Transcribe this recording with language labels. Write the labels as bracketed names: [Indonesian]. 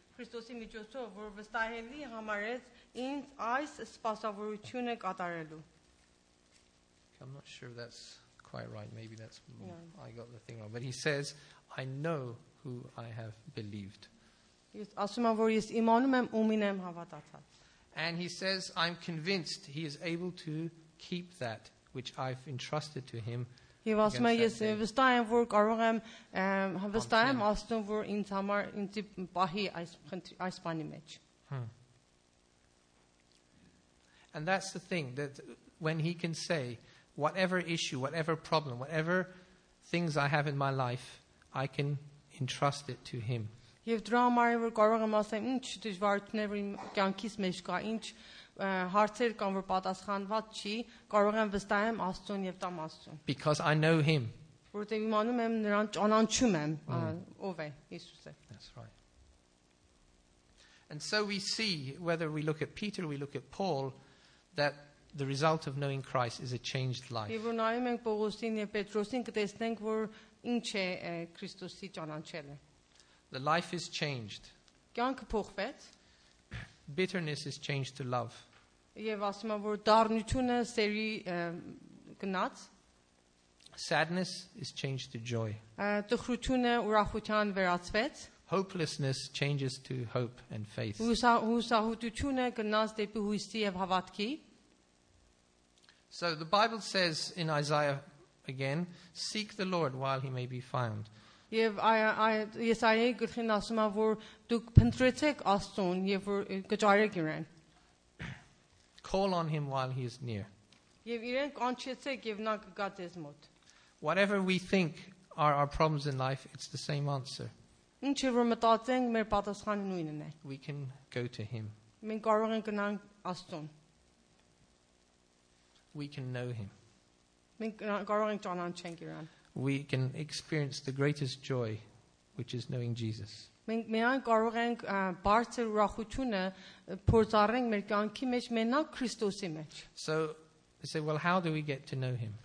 [Armenian] Քրիստոսի միջոցով որ վստահելի համարեց ինձ այս սպասավորությունը կատարելու [English] Okay, I'm not sure if that's quite right. Maybe that's I got the thing wrong. But he says, I know who I have believed. [Armenian] Ես ասում եմ, որ ես իմանում եմ ումին եմ հավատացած. [English] And he says, I'm convinced he is able to keep that which I've entrusted to him. [Armenian] Եվ ասում եմ, ես վստահ եմ, որ կարող եմ վստահ եմ ասում, որ ինձ համար ինձ պահի այս բանի մեջ։ [English] And that's the thing that when he can say whatever issue, whatever problem, whatever things I have in my life, I can entrust it to him. [Armenian] Եվ դրա համար որ կարող եմ ասեմ, ինչ դժվարություններ իմ կյանքիս մեջ կա, ինչ հարցեր կան որ պատասխանված չի կարող եմ վստահ եմ Աստծուն եւ տամ Աստծուն [English] Because I know him. [Armenian] Որտեղ իմանում եմ նրան ճանաչում եմ ով է Հիսուսը. [English] That's right. And so we see whether we look at Peter or we look at Paul that the result of knowing Christ is a changed life. [Armenian] Եվ նայում ենք Պողոսին եւ Պետրոսին կտեսնենք որ ինչ է Քրիստոսի ճանաչելը. [English] The life is changed. [Armenian] Կյանքը փոխվեց. [English] Bitterness is changed to love. [Armenian] Եվ ասում եմ որ դառնությունը սերի գնաց. [English] Sadness is changed to joy. [Armenian] Տխրությունը ուրախության վերածվեց. [English] Hopelessness changes to hope and faith. [Armenian] Հուսահատությունը գնաց դեպի հույսի եւ հավատքի. [English] So the Bible says in Isaiah again, seek the Lord while he may be found. [Armenian] Եվ Եսայի գլխին ասում է որ դուք փնտրեցեք Աստծուն եւ որ կճարեք իրեն։ [English] Call on him while he is near. [Armenian] Եվ իրեն կանչեցեք եւ նա կգա ձեզ մոտ։ [English] Whatever we think are our problems in life, it's the same answer. [Armenian] Ինչ որ մտածենք, մեր պատասխանը նույնն է։ [English] We can go to him. [Armenian] Մենք կարող ենք գնանք Աստծուն։ [English] We can know him. [Armenian] Մենք կարող ենք ճանաչենք իրեն։ [English] We can experience the greatest joy, which is knowing Jesus. So, I say, well, how do we get to know him?